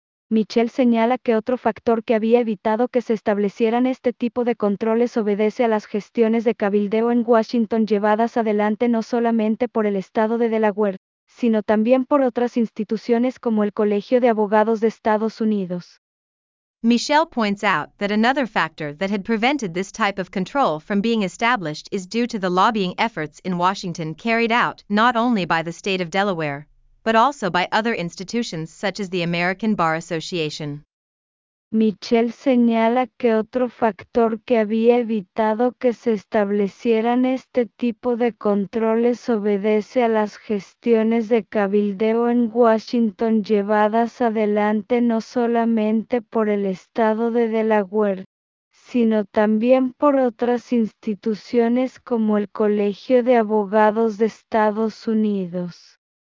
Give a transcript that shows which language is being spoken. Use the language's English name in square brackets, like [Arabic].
[Spanish] Michelle señala que otro factor que había evitado que se establecieran este tipo de controles obedece a las gestiones de cabildeo en Washington llevadas adelante no solamente por el estado de Delaware, sino también por otras instituciones como el Colegio de Abogados de Estados Unidos. [English] Michelle points out that another factor that had prevented this type of control from being established is due to the lobbying efforts in Washington carried out not only by the state of Delaware, but also by other institutions such as the American Bar Association. [Spanish] Michelle señala que otro factor que había evitado que se establecieran este tipo de controles obedece a las gestiones de cabildeo en Washington llevadas adelante no solamente por el estado de Delaware, sino también por otras instituciones como el Colegio de Abogados de Estados Unidos.